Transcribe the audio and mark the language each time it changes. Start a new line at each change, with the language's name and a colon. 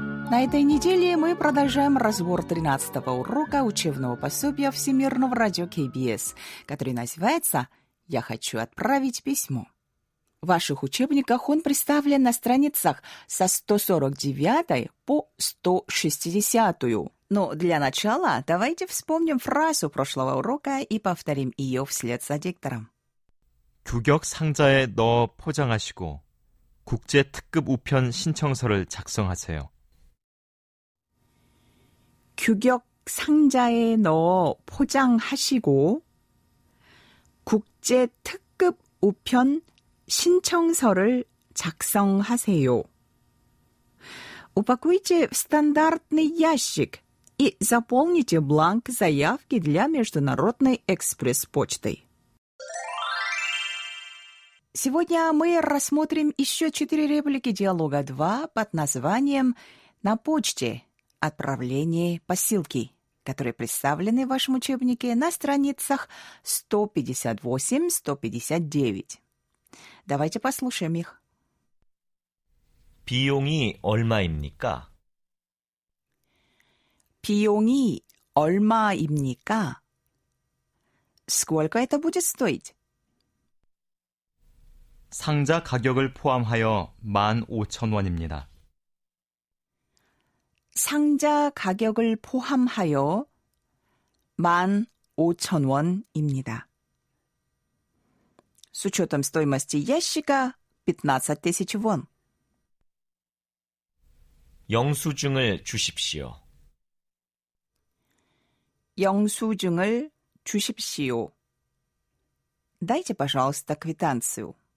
Russian: На этой неделе мы продолжаем разбор 13-го урока учебного пособия Всемирного радио КБС, который называется «Я хочу отправить письмо». В ваших учебниках он представлен на страницах со 149 по 160. Но для начала давайте вспомним фразу прошлого урока и повторим ее вслед за диктором.
Korean: 규격 상자에 넣어 포장하시고 국제 특급 우편 신청서를 작성하세요. 규격 상자에 넣어 포장하시고 국제 특급 우편 신청서를 작성하세요.
Russian: Упакуйте в стандартный ящик и заполните бланк заявки для международной экспресс-почты. Сегодня мы рассмотрим еще 4 реплики диалога 2 под названием «На почте». Отправление посылки, которые представлены в вашем учебнике на страницах 158-159. Давайте послушаем их.
Korean: 비용이 얼마입니까? 비용이 얼마입니까?
Russian: Сколько это будет стоить?
Korean: 상자 가격을 포함하여 15,000원입니다. 상자 가격을 포함하여 15,000원입니다.
Russian: С учетом стоимости ящика 15,000 вон.
Korean: 영수증을 주십시오. 영수증을 주십시오.
Russian: Дайте, пожалуйста, квитанцию.